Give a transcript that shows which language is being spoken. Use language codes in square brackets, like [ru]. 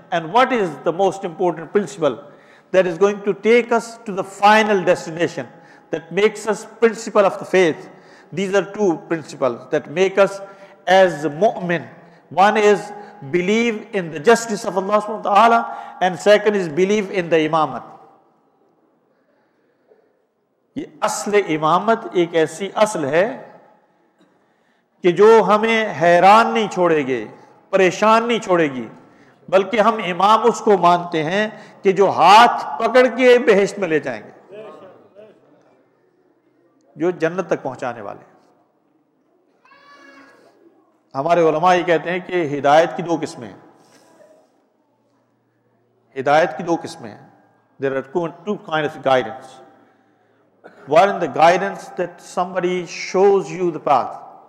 [en] And what is the most important principle that is going to take us to the final destination that makes us principle of the faith? These are two principles that make us as a mu'min. One is believe in the justice of Allah subhanahu wa ta'ala, and second is believe in the imamat. [ur] یہ اصل امامت ایک ایسی اصل ہے کہ جو ہمیں حیران نہیں چھوڑے گے, پریشان نہیں چھوڑے گی, بلکہ ہم امام اس کو مانتے ہیں کہ جو ہاتھ پکڑ کے بہشت میں لے جائیں گے, جو جنت تک پہنچانے والے ہیں. ہمارے علماء یہ کہتے ہیں کہ ہدایت کی دو قسمیں ہیں, ہدایت کی دو قسمیں ہیں. [en] There are two kinds of guidance. One in the guidance that somebody shows you the path.